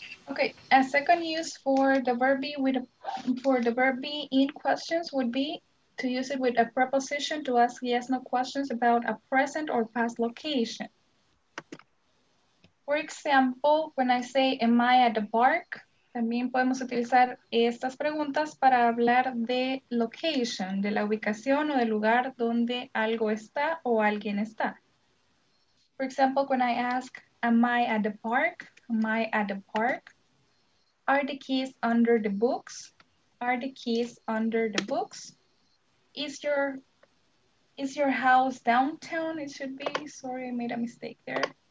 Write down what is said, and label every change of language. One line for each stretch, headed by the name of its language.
English: Okay, a second use for the verb be in questions would be to use it with a preposition to ask yes, no questions about a present or past location. For example, when I say, am I at the park?
Spanish: También podemos utilizar estas preguntas para hablar de location, de la ubicación o del lugar donde algo está o alguien está.
English: For example, when I ask, am I at the park? Am I at the park? Are the keys under the books? Are the keys under the books? Is your house downtown? It should be, sorry, I made a mistake there.